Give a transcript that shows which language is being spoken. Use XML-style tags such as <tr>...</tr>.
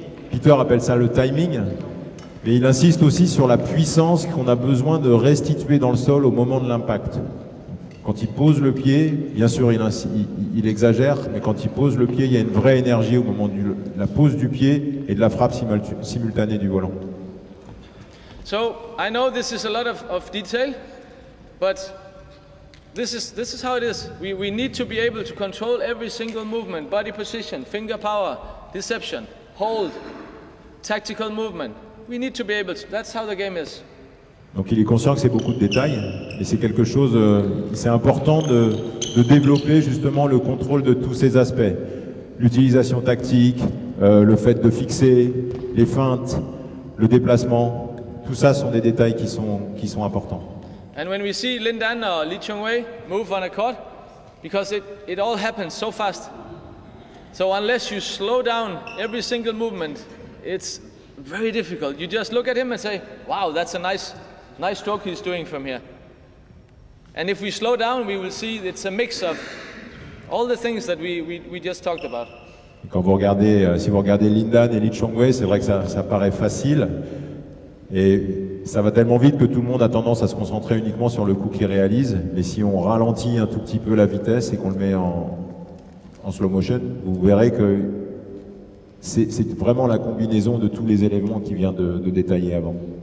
<fr>Peter appelle ça le timing, mais il insiste aussi sur la puissance qu'on a besoin de restituer dans le sol au moment de l'impact. Quand il pose le pied, bien sûr il exagère, mais quand il pose le pied, il y a une vraie énergie au moment de la pose du pied et de la frappe simultanée du volant.</fr> <en>So I know this is a lot of detail, but this is how it is. We need to be able to control every single movement, body position, finger power, deception, hold, tactical movement. We need to be able to. That's how the game is.</en> <fr>Donc il est conscient que c'est beaucoup de détails, mais c'est quelque chose. C'est important de développer justement le contrôle de tous ces aspects, l'utilisation tactique, le fait de fixer, les feintes, le déplacement. Tout ça sont des détails qui sont importants.</fr> <en>And when we see Lin Dan or Li Chongwei move on a court, because it all happens so fast. So unless you slow down every single movement, it's very difficult. You just look at him and say, wow, that's a nice stroke he's doing from here. And if we slow down, we will see it's a mix of all the things that we just talked about.</en> <fr>Quand vous regardez, si vous regardez Lin Dan et Li Chongwei, c'est vrai que ça paraît facile. Et ça va tellement vite que tout le monde a tendance à se concentrer uniquement sur le coup qu'il réalise. Mais si on ralentit un tout petit peu la vitesse et qu'on le met en slow motion, vous verrez que c'est vraiment la combinaison de tous les éléments qui vient de détailler avant.</fr>